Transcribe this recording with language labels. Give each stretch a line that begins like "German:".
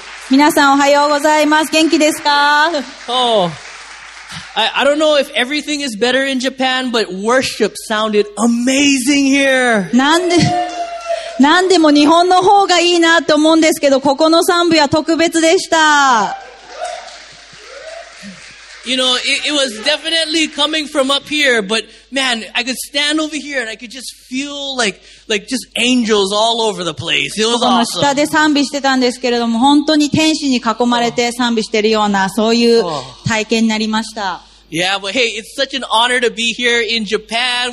Japanese: 皆さんおはようございます。元気ですか?
English: Oh. I don't know if everything is better in Japan, but worship sounded amazing here.
Japanese: なんでも日本の方がいいなと思うんですけど、ここの賛美は特別でした。
English: You know, it was definitely coming from up here, but man, I could stand over here and I could just feel like just angels all over the place. It was awesome.
Japanese: この下で賛美してたんですけれども、本当に天使に囲まれて賛美してるような、そういう体験になりました。
English: Yeah, but hey, it's such an honor to be here in Japan.